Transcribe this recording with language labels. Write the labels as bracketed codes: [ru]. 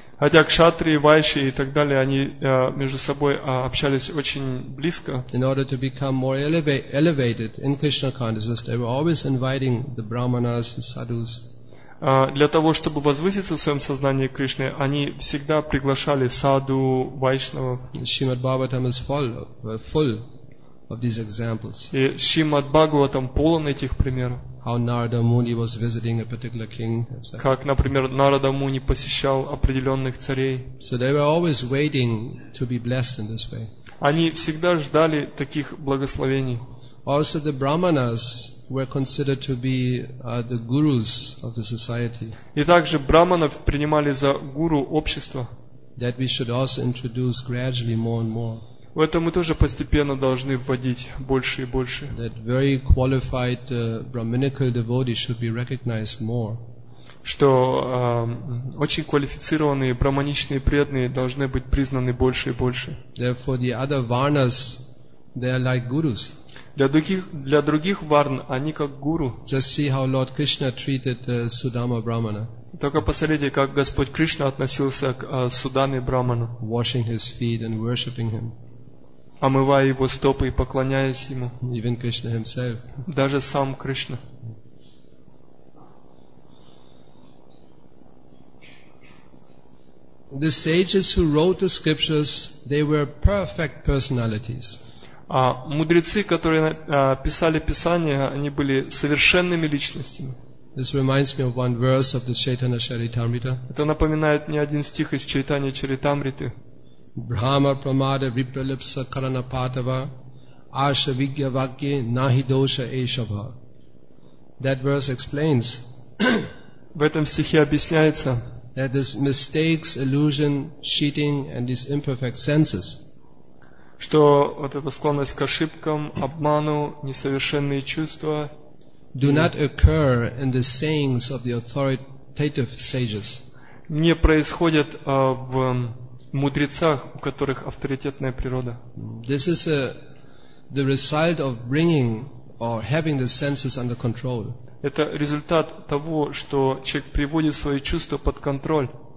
[ru] Хотя кшатрии, вайши и так далее, они между собой общались очень близко. [en] In order to become more elevated in Krishna consciousness, they were always inviting the brahmanas, the sadhus. [ru] Для того, чтобы возвыситься в своем сознании Кришны, они всегда приглашали саду, вайшнава. [en] Шримад Бхагаватам is full of these examples. [ru] И Шримад Бхагаватам полон этих примеров. [en] How Narada Muni was visiting a particular king, etc. [ru] Как, например, Нарада Муни посещал определенных царей. [en] So they were always waiting to be blessed in this way. [ru] Они всегда ждали таких благословений. [en] Also the brahmanas were considered to be the gurus of the society. [ru] И также брахманов принимали за гуру общества. [en] That we should also introduce gradually more and more. [ru] В это мы тоже постепенно должны вводить больше и больше. [en] That very qualified brahminical devotees should be recognized more. [ru] Что очень квалифицированные брахманичные преданные должны быть признаны больше и больше. [en] Therefore the other varnas, they are like gurus. [ru] Для других варн они как гуру. [en] Just see how Lord Krishna treated Sudama Brahmana. [ru] Только посмотрите, как Господь Кришна относился к Судаме Брахману. [en] Washing his feet and worshiping him. [ru] Омывая его стопы и поклоняясь ему. [en] Even Krishna himself. [ru] Даже сам Кришна. [en] The sages who wrote the scriptures, they were perfect personalities. [ru] А мудрецы, которые писали писания, они были совершенными личностями. [en] This reminds me of one verse of the Chaitanya Charitamrita. [ru] Это напоминает мне один стих из Чайтанья Чаритамриты. [sa] Brahma pramada vipralipsa karana patava asha vigya vakye nahi dosha eshava. [en] That verse explains. [ru] В этом стихе объясняется. [en] That this mistakes, illusion, cheating and these imperfect senses. [ru] Что вот эта склонность к ошибкам, обману, несовершенные чувства [en] do not occur in the sayings of the authoritative sages. [ru] Не происходят в мудрецах, у которых авторитетная природа. [en] This is the result of bringing or having the senses under control. [ru] Это результат того, что человек приводит свои чувства под контроль.